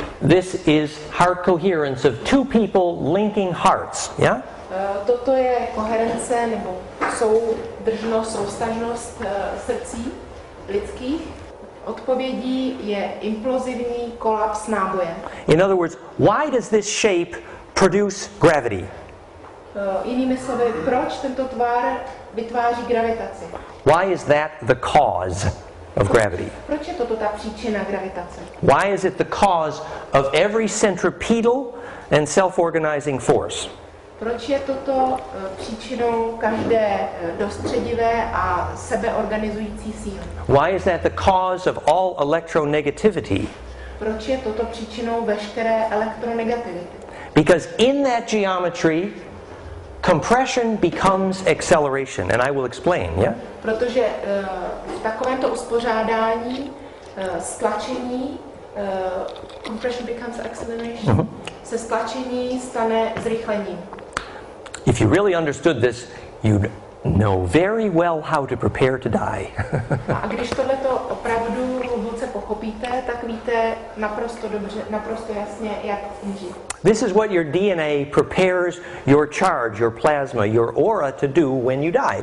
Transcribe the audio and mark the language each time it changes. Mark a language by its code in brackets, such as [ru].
[en] This is heart coherence of two people linking hearts, yeah? [cs] Toto je koherence nebo soudržnost, soustažnost srdcí lidských. Odpovědí je implozivní kolaps náboje. [en] In other words, why does this shape produce gravity? [cs] Jinými slovy, proč tento tvar vytváří gravitaci? [en] Why is that the cause? of gravity. [cs] Proč je toto ta příčina gravitace? [en] Why is it the cause of every centripetal and self-organizing force? [cs] Proč je toto příčinou každé dostředivé a sebeorganizující síly? [en] Why is that the cause of all electronegativity? [cs] Proč je toto příčinou veškeré elektronegativity? [en] Because in that geometry, compression becomes acceleration, and I will explain, yeah? [cs] Protože v takovémto uspořádání stlačení, [en] compression becomes acceleration, [cs] se stlačení stane zrychlení. [en] If you really understood this, you'd know very well how to prepare to die. [cs] A když tohleto opravdu hluboce pochopíte, tak víte naprosto dobře, naprosto jasně, jak umřít. [en] This is what your DNA prepares your charge, your plasma, your aura to do when you die.